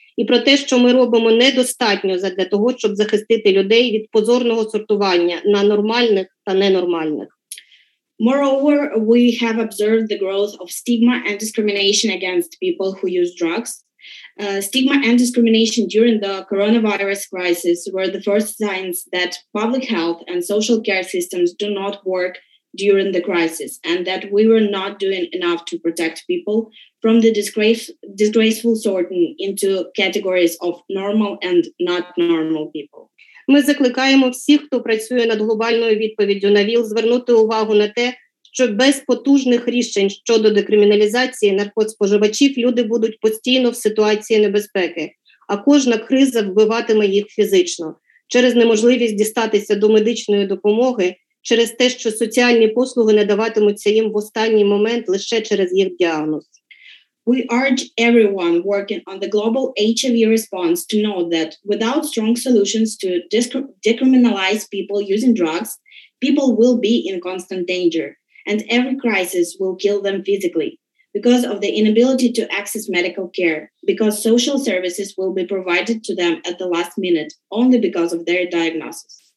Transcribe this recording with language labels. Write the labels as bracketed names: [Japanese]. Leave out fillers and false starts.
[Ukrainian] І про те, що ми робимо недостатньо для того, щоб захистити людей від позорного сортування на нормальних та ненормальних. [English] Moreover, we have observed the growth of stigma and discrimination against people who use drugs. Stigma and discrimination during the coronavirus crisis were the first signs that public health and social care systems do not work during the crisis and that we were not doing enough to protect people from the disgraceful sorting into categories of normal and not normal people. [Ukrainian] Ми закликаємо всіх, хто працює над глобальною відповіддю на ВІЛ, звернути увагу на те, що без потужних рішень щодо декриміналізації наркотспоживачів люди будуть постійно в ситуації небезпеки, а кожна криза вбиватиме їх фізично через неможливість дістатися до медичної допомоги, через те, що соціальні послуги надаватимуться їм в останній момент лише через їх діагноз. [English] We urge everyone working on the global HIV response to know that without strong solutions to decriminalize people using drugs, people will be in constant danger, and every crisis will kill them physically because of the inability to access medical care, because social services will be provided to them at the last minute only because of their diagnosis.